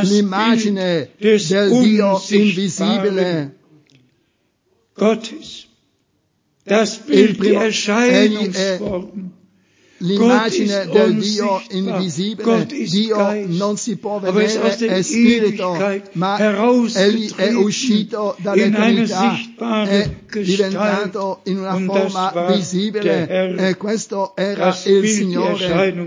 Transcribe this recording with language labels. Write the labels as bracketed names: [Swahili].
[Italian] l'immagine del Dio invisibile, [German] Gottes, das Bild primo, die Erscheinungsform. [Italian] L'immagine del Dio invisibile, Dio [German] Geist, [Italian] non si può vedere, è spirito, ma egli è uscito dall'eternità, è diventato in una forma visibile, e questo era il Signore,